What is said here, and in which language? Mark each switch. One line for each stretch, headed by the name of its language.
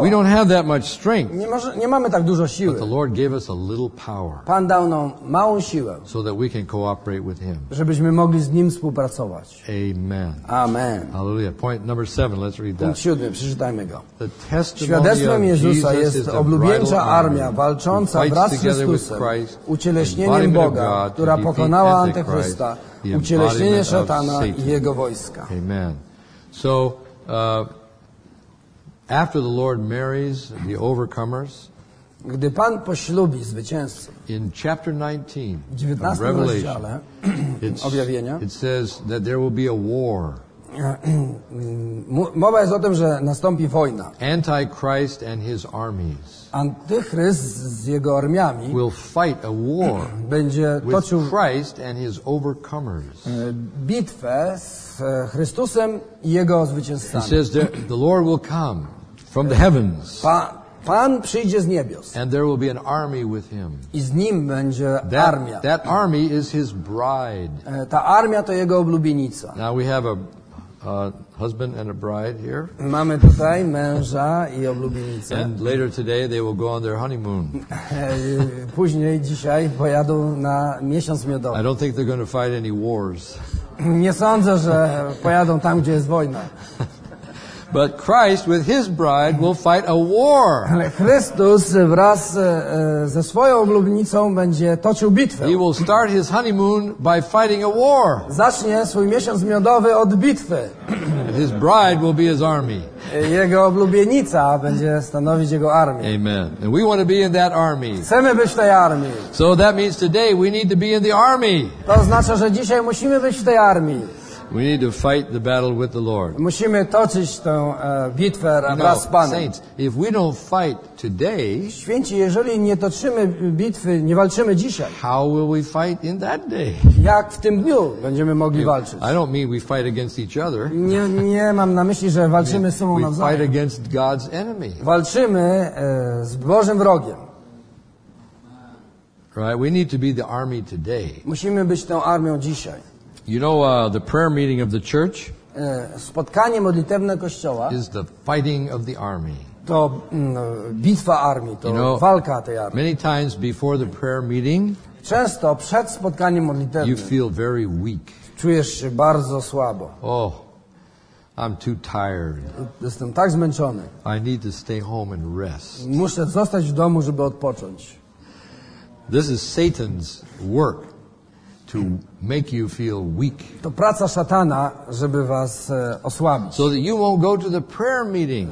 English: We don't have that much strength.
Polish: Nie mamy tak dużo siły.
English: But the Lord gave us a little power.
Polish: Pan dał nam małą siłę.
English: So that we can cooperate with him.
Polish: Żebyśmy mogli z nim współpracować. Amen. Amen. Hallelujah.
English: Point number 7, let's read that.
Polish: Punkt 7, przeczytajmy go.
English: The testimony of
Polish: Jezusa jest oblubieńcza armia walcząca wraz z Chrystusem, ucieleśnieniem Boga, która pokonała Antychrysta, ucieleśnienie szatana i jego wojska. Amen.
English: So after the Lord marries the overcomers,
Polish: gdy Pan poślubi zwycięzców,
English: in chapter 19, 19 of Revelation,
Polish: rozdziale,
English: it's,
Polish: objawienia,
English: it says that there will be a war.
Polish: Mowa jest o tym, że nastąpi wojna.
English: Antichrist and his armies.
Polish: Antychryst z jego armiami
English: will fight a war
Polish: będzie toczył
English: with Christ and his overcomers.
Polish: Bitwę z Chrystusem i jego zwycięzcami.
English: He says the Lord will come from the heavens.
Polish: Pan przyjdzie z niebios.
English: And there will be an army with him.
Polish: I z nim będzie armia.
English: That army is his bride.
Polish: Ta armia to jego oblubienica.
English: Now we have a husband and a bride here.
Polish: Mamy tutaj męża i oblubienicę.
English: And later today they will go on their honeymoon.
Polish: Później dzisiaj pojadą na miesiąc miodowy.
English: I don't think they're going to fight any wars.
Polish: Nie sądzę, że pojadą tam, gdzie jest wojna.
English: But Christ with his bride will fight a war.
Polish: Ale Chrystus wraz ze swoją oblubnicą będzie toczył bitwę.
English: He will start his honeymoon by fighting a war.
Polish: Zacznie swój miesiąc miodowy od bitwy.
English: His bride will be his army.
Polish: Jego oblubienica będzie stanowić jego armię. Amen.
English: And we want to be in that army.
Polish: Chcemy być w tej armii.
English: So that means today we need to be in the army.
Polish: To oznacza, że dzisiaj musimy być w tej armii.
English: We need to fight the battle with the Lord.
Polish: Musimy toczyć tę bitwę wraz z Panem.
English: Saints, if we don't fight today,
Polish: święci, jeżeli nie toczymy bitwy, nie walczymy dzisiaj,
English: how will we fight in that day?
Polish: Jak w tym dniu będziemy mogli walczyć?
English: I don't mean we fight against each other.
Polish: Nie mam na myśli, że walczymy z sobą nawzajem.
English: We fight against God's enemy.
Polish: Walczymy z Bożym wrogiem.
English: Right? We need to be the army today.
Polish: Musimy być tą armią dzisiaj.
English: You know the prayer meeting of the church
Polish: spotkanie modlitewne kościoła
English: is the fighting of the army.
Polish: to bitwa armii, to walka tej armii.
English: Many times before the prayer meeting,
Polish: często przed spotkaniem modlitewnym,
English: you feel very weak.
Polish: Czujesz się bardzo słabo.
English: Oh, I'm too tired.
Polish: Jestem tak zmęczony.
English: I need to stay home and rest.
Polish: Muszę zostać w domu, żeby odpocząć.
English: This is Satan's work to make you feel weak.
Polish: To praca szatana, żeby was osłabić.
English: So that you won't go to the prayer meeting.